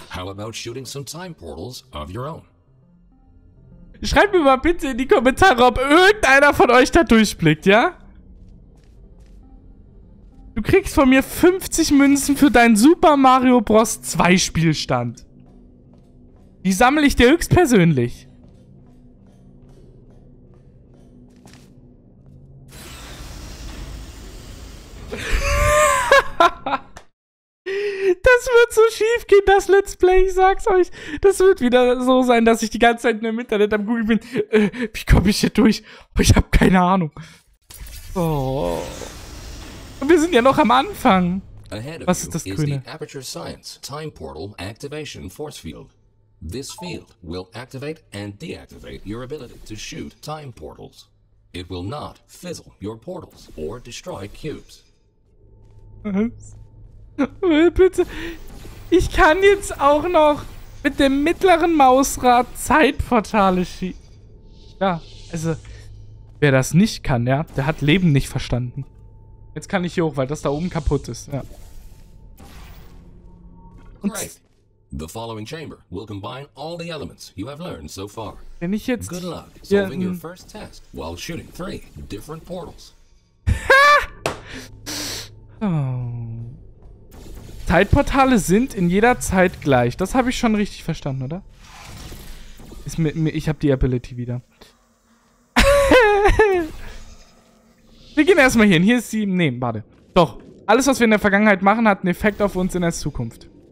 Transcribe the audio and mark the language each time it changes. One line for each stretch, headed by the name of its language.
English: How about shooting some time portals of your own?
German: Schreibt mir mal bitte in die Kommentare, ob irgendeiner von euch da durchblickt, ja? Du kriegst von mir 50 Münzen für deinen Super Mario Bros. 2 Spielstand. Die sammle ich dir höchstpersönlich. Das wird so schief gehen, das Let's Play, ich sag's euch. Das wird wieder so sein, dass ich die ganze Zeit im Internet am Google bin. Wie komme ich hier durch? Ich habe keine Ahnung. Oh. Wir sind ja noch am Anfang. Was ist das Grüne?
English: Aperture Science Time Portal Activation Force Field. This field will activate and deactivate your ability to shoot time portals. It will not fizzle your portals or destroy cubes.
German: Bitte. Ich kann jetzt auch noch mit dem mittleren Mausrad Zeitportale schießen. Ja, also, wer das nicht kann, ja, der hat Leben nicht verstanden. Jetzt kann ich hier hoch, weil das da oben kaputt ist, ja. Und
English: great. The following chamber will combine all the elements you have learned so far.
German: Wenn ich jetzt...
English: Good luck solving your first test while shooting three different portals.
German: Zeitportale sind in jeder Zeit gleich. Das habe ich schon richtig verstanden, oder? Ist mir, ich habe die Ability wieder. Wir gehen erstmal hier hin. Hier ist sie. Nee, warte. Doch. Alles, was wir in der Vergangenheit machen, hat einen Effekt auf uns in der Zukunft.